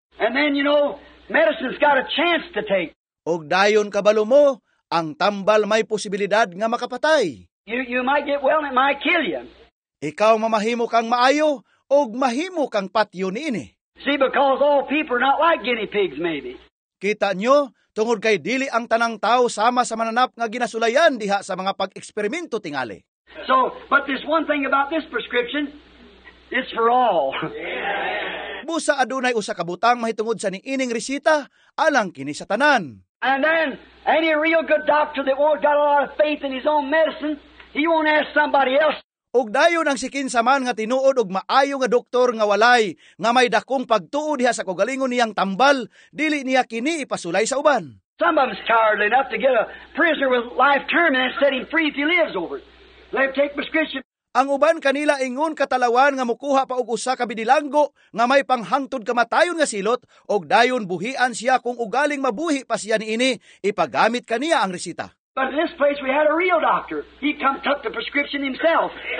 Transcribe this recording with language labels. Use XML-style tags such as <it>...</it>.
<en>And then you know, medicine's got a chance to take.</en> <ceb>Og dayon kabalo mo, ang tambal may posibilidad nga makapatay.</ceb> <en>You might get well and it might kill you.</en> <ceb>Ikaw mamahimo kang maayo og mahimo kang patyo niini.</ceb> <en>See, because all people are not like guinea pigs, maybe.</en> <ceb>Kita nyo, tungod kay dili ang tanang tao sama sa mananap nga ginasulayan diha sa mga pag-eksperimento tingali.</ceb> <en>So, but this one thing about this prescription, it's for all.</en> <ceb>Busa adunay usa ka butang mahitungod sa niining resita, alang kini sa tanan.</ceb> <en>And then, any real good doctor that won't got a lot of faith in his own medicine, he won't ask somebody else.</en> <ceb>Og dayon ang sikinsaman nga tinuod og maayo nga doktor nga walay nga may dakong pagtuod diha sa kogalingon niyang tambal, dili niya kini ipasulay sa uban.</ceb> <en>Some of them's cowardly enough to get a prisoner with life term and set him free if he lives over it. Let him take prescription.</en> <ceb>Ang uban kanila ingon katalawan nga mukuha pa og usa ka bidilanggo nga may panghangtod kamatayon nga silot og dayon buhian siya kung ugaling mabuhi pa siya niini ipagamit kaniya ang resita.</ceb> <en>But in this place, we had a real doctor. He'd come took the prescription himself.</en>